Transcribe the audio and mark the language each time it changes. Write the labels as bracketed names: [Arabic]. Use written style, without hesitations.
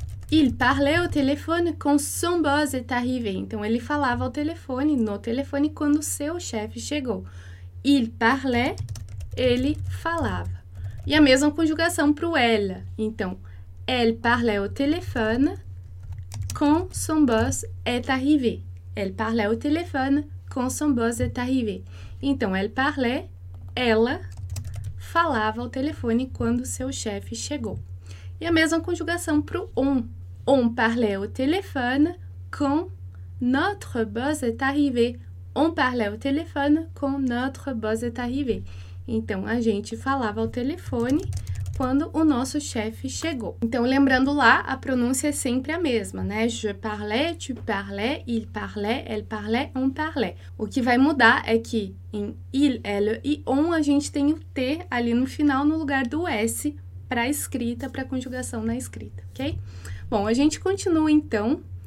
[French] Il parlait au téléphone quand son boss est arrivé. [Portuguese] Então ele falava ao telefone, no telefone, quando seu chefe chegou. [French] Il parlait. [Portuguese] Ele falava. E a mesma conjugação para o elle. [French] Então, elle parlait au téléphone quand son boss est arrivé. Elle parlait au téléphone quand son boss est arrivé. [Portuguese] Então, [French] elle parlait, [Portuguese] ela falava ao telefone quando seu chefe chegou. E a mesma conjugação para o on. [French] On parlait au téléphone quand notre boss est arrivé. On parlait au téléphone quand notre boss est arrivé. [Portuguese] Então, a gente falava ao telefone quando o nosso chefe chegou. Então, lembrando lá, a pronúncia é sempre a mesma, né? [French] Je parlais, tu parlais, il parlait, elle parlait, on parlait. [Portuguese] O que vai mudar é que em il, elle e on a gente tem o T ali no final no lugar do S para escrita, para conjugação na escrita, ok? Bom, a gente continua então.